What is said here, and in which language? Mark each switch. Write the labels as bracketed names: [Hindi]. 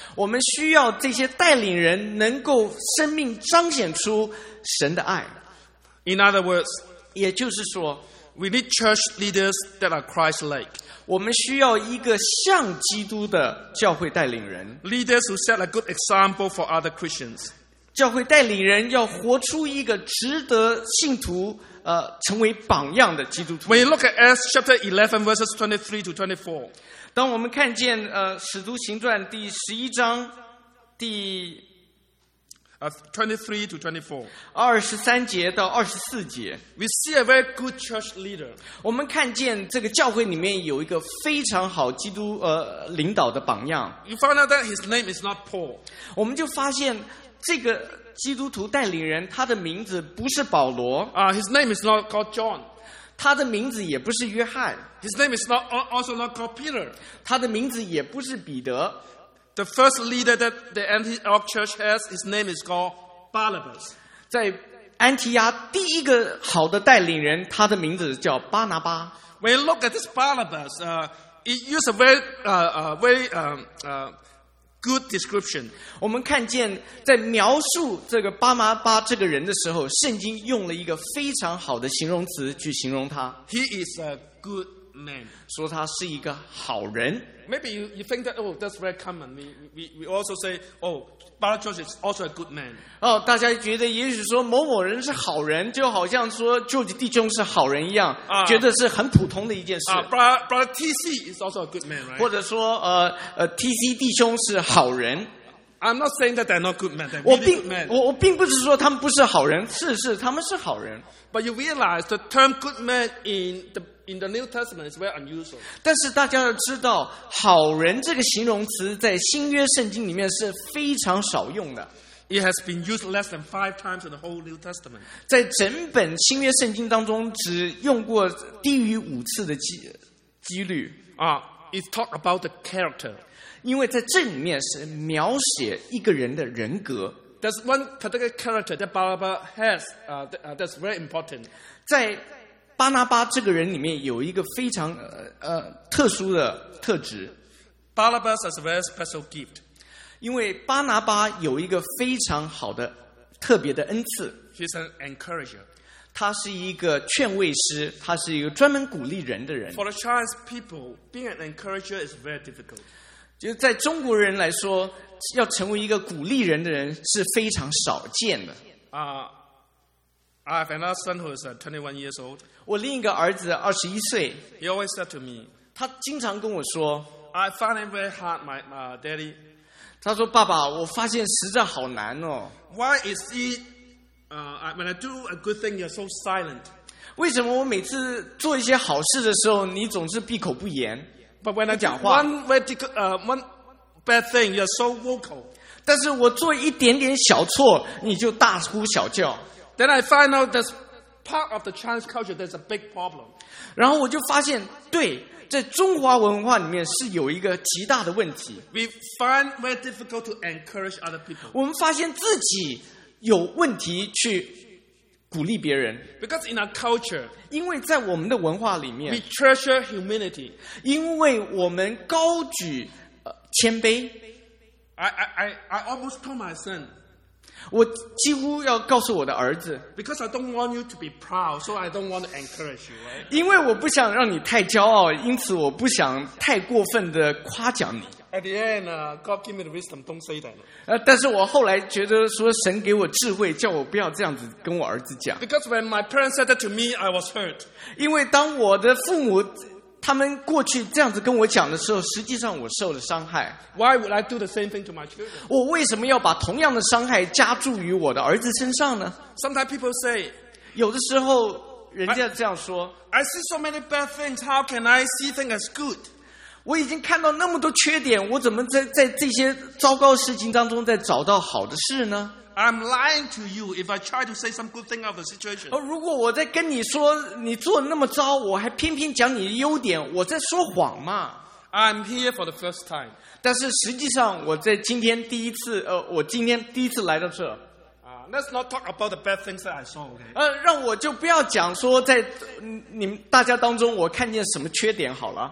[Chinese] 我们需要这些带领人能够生命彰显出神的爱。 [English] In other words, [Chinese] 也就是说 [English] we need church leaders that are Christ-like. [Chinese] 我们需要一个像基督的教会带领人。 [English] Leaders who set a good example for other Christians. [Chinese] 教会带领人要活出一个值得信徒成为榜样的基督徒。 [English] When you look at Acts chapter 11 verses 23 to 24, [Chinese] 当我们看见使徒行传第十一章第 [English] 23 to 24, [Chinese] 二十三节到二十四节 [English] ，We see a very good church leader. [Chinese] 我们看见这个教会里面有一个非常好基督领导的榜样。 [English] You find out that his name is not Paul. [Chinese] 我们就发现这个。基督徒带领人他的名字不是保罗 [English] His name is not called John. [Chinese] 他的名字也不是约翰 [English] His name is not, also not called Peter. [Chinese] 他的名字也不是彼得 [English] The first leader that the Antioch church has, his name is called Barnabas. [Chinese] 在安提亚第一个好的带领人他的名字叫巴拿巴 [English] When you look at this Barnabas, it uses a very, good description. [Chinese] 我们看见在描述这个巴拿巴这个人的时候，圣经用了一个非常好的形容词去形容他。 [English] He is a good man. [Chinese] 说他是一个好人。 [English] Maybe you think that, oh, that's very common. We also say, oh, Brother George is also a good man. [Chinese] 哦，大家觉得也许说某某人是好人，就好像说 George 弟兄是好人一样，觉得是很普通的一件事。 [English] Brother TC is also a good man, right? [Chinese] 或者说TC 弟兄是好人。 [English] I'm not saying that they're not good men. They're really good men. [Chinese] 我并不是说他们不是好人，是他们是好人。 [English] But you realize the term good man in the New Testament is very unusual. [Chinese] 但是大家要知道，好人这个形容词在新约圣经里面是非常少用的。 [English] It has been used less than 5 times in the whole New Testament. [Chinese] 在整本新约圣经当中，只用过低于5次的几率。 [English] It talk about the character. [Chinese] 因为在这里面是描写一个人的人格。 [English] There's one particular character that Barnabas has, that's very important. [Chinese] 在巴拿巴这个人里面有一个非常特殊的特质。 [English] Barnabas has a very special gift. [Chinese] 因为巴拿巴有一个非常好的特别的恩赐。 [English] He's an encourager. [Chinese] 他是一个劝慰师，他是一个专门鼓励人的人。 [English] For the Chinese people, being an encourager is very difficult. [Chinese] 就在中国人来说，要成为一个鼓励人的人是非常少见的。 [English] I have another son who is 21 years old. [Chinese] 我另一个儿子21岁。 [English] He always said to me, [Chinese] 他经常跟我说 [English] I find it very hard, my daddy. [Chinese] 他说爸爸，我发现实在好难哦。 [English] Why is it, when I do a good thing, you're so silent? [Chinese] 为什么我每次做一些好事的时候，你总是闭口不言？ [English] But when I do one bad thing, you're so vocal. [Chinese] 但是我做一点点小错，你就大呼小叫。 [English] Then I find out that part of the Chinese culture there's a big problem. [Chinese] 然后我就发现，对，在中华文化里面是有一个极大的问题。 [English] We find very difficult to encourage other people. [Chinese] 我们发现自己有问题去鼓励别人。 [English] Because in our culture, [Chinese] 因为在我们的文化里面 [English] ，we treasure humility. [Chinese] 因为我们高举谦卑。 [English] I almost told my son. [Chinese] 我几乎要告诉我的儿子。 [English] Because I don't want you to be proud, so I don't want to encourage you. [Chinese] 因为我不想让你太骄傲，因此我不想太过分的夸奖你。 [English] At the end, God gave me the wisdom. Don't say that. [Chinese] 但是我后来觉得说神给我智慧，叫我不要这样子跟我儿子讲。 [English] Because when my parents said that to me, I was hurt. [Chinese] 因为当我的父母他们过去这样子跟我讲的时候，实际上我受了伤害。 [English] Why would I do the same thing to my children? [Chinese] 我为什么要把同样的伤害加注于我的儿子身上呢？ [English] Sometimes people say, [Chinese] 有的时候人家这样说， [English] I see so many bad things, how can I see things as good? [Chinese] 我已经看到那么多缺点，我怎么在这些糟糕事情当中再找到好的事呢？ [English] I'm lying to you if I try to say some good thing of the situation. [Chinese] 如果我在跟你说你做那么糟，我还偏偏讲你的优点，我在说谎嘛。 [English] I'm here for the first time. [Chinese] 但是实际上我在今天第一次，我今天第一次来到这。 [English] Let's not talk about the bad things that I saw, okay? [Chinese] 让我就不要讲说在你们大家当中我看见什么缺点好了。